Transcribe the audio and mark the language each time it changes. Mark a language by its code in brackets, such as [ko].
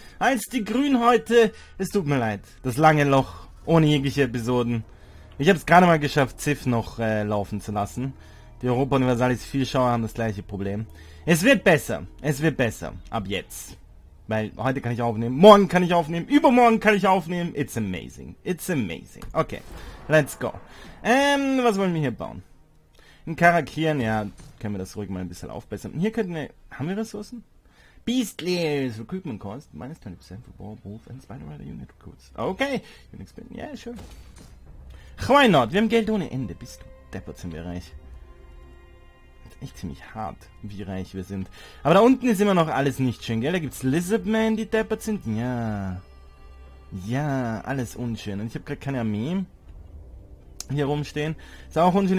[de] Als die Grünhäute, es tut mir leid, das lange Loch ohne jegliche Episoden. Ich habe es gerade mal geschafft, Ziff noch laufen zu lassen. Die Europa Universalis Vielschauer haben das gleiche Problem. Es wird besser, ab jetzt. Weil heute kann ich aufnehmen, morgen kann ich aufnehmen, übermorgen kann ich aufnehmen. [en] It's amazing, okay, let's go. [de] Was wollen wir hier bauen? Ein Karakieren, ja, können wir das ruhig mal ein bisschen aufbessern. Und hier könnten wir, haben wir Ressourcen? [en] Beastlies, Recruitment Cost, minus 20% for War Wolf and Spider Rider Unit Recruits. Okay, Unix bin, ja, yeah, sure. Why not, [de] wir haben Geld ohne Ende, bist du deppert, sind wir reich. Echt ziemlich hart, wie reich wir sind. Aber da unten ist immer noch alles nicht schön, gell? Da gibt's Lizardmen, die deppert sind. Ja. Ja, alles unschön. Und ich habe gerade keine Armee hier rumstehen. Ist auch unschön.